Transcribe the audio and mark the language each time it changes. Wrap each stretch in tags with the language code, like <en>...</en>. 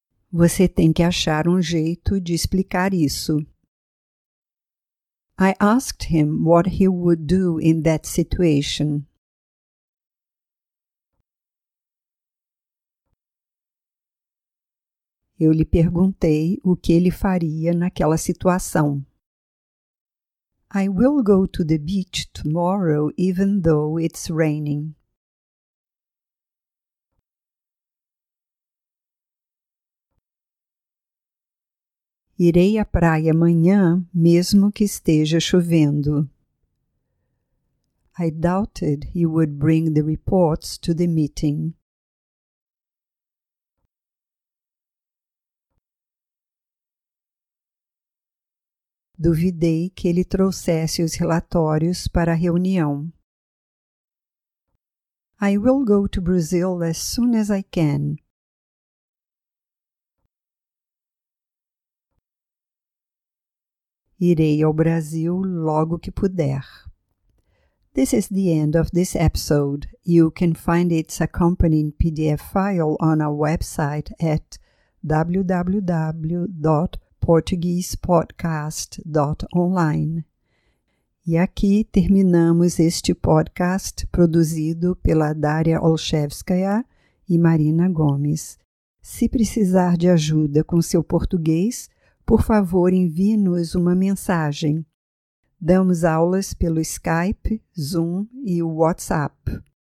<pt>Você tem que achar um jeito de explicar isso.</pt> <en>I asked him what he would do in that situation.</en> <pt>Eu lhe perguntei o que ele faria naquela situação.</pt> <en>I will go to the beach tomorrow, even though it's raining.</en> <pt>Irei à praia amanhã, mesmo que esteja chovendo.</pt> <en>I doubted he would bring the reports to the meeting.</en> <pt>Duvidei que ele trouxesse os relatórios para a reunião.</pt> <en>I will go to Brazil as soon as I can.</en> <pt>Irei ao Brasil logo que puder.</pt> <en>This is the end of this episode. You can find its accompanying PDF file on our website at www.portuguesepodcast.online.</en> <pt>E aqui terminamos este podcast produzido pela Daria Olszewskaia e Marina Gomes. Se precisar de ajuda com seu português, por favor, envie-nos uma mensagem. Damos aulas pelo Skype, Zoom e WhatsApp.</pt>